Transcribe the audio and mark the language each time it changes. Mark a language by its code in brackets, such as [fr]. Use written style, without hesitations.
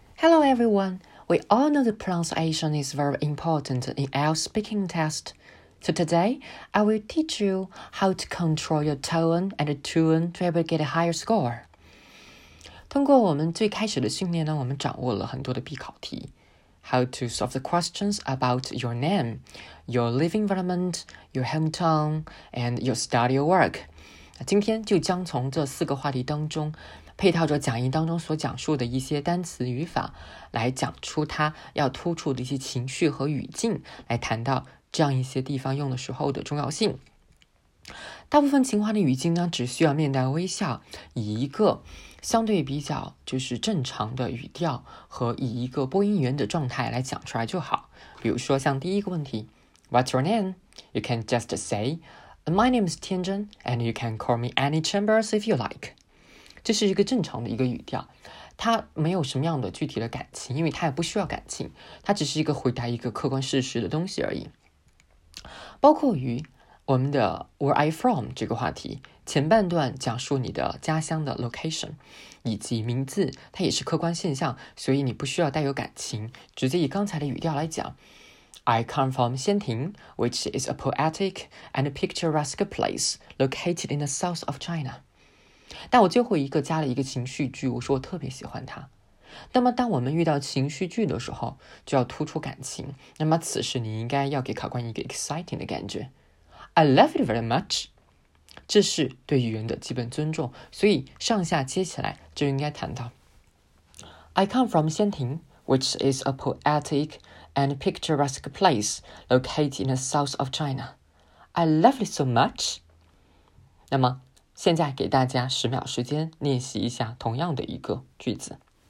[en] Hello everyone, we all know that pronunciation is very important in IELTS speaking test. So today, I will teach you how to control your tone and tune to ever get a higher score. [zh] 通过我们最开始的训练呢，我们掌握了很多的必考题。 [en] How to solve the questions about your name, your living environment, your hometown, and your study or work. [zh] 今天就将从这四个话题当中配套着讲义当中所讲述的一些单词语法来讲出它要突出的一些情绪和语境，来谈到这样一些地方用的时候的重要性。大部分情况的语境呢，只需要面带微笑，以一个相对比较就是正常的语调和以一个播音员的状态来讲出来就好。比如说像第一个问题， [en] What's your name? You can just say, My name is Tianzhen, and you can call me Annie Chambers if you like. [zh] 这是一个正常的一个语调，它没有什么样的具体的感情，因为它也不需要感情，它只是一个回答一个客观事实的东西而已。包括于我们的 [en] Where are you from [zh] 这个话题，前半段讲述你的家乡的 location 以及名字，它也是客观现象，所以你不需要带有感情，直接以刚才的语调来讲， [en] I come from 仙亭 which is a poetic and picturesque place located in the south of China. [zh] 但我最后一个加了一个情绪句，我说我特别喜欢它。那么当我们遇到情绪句的时候，就要突出感情，那么此时你应该要给考官一个 exciting 的感觉， [en] I love it very much， [zh] 这是对语言的基本尊重。所以上下接起来就应该谈到 [en] I come from 仙亭 which is a poetic and picturesque place located in the south of China， I love it so much。 [zh] 那么现在给大家十秒时间练习一下同样的一个句子。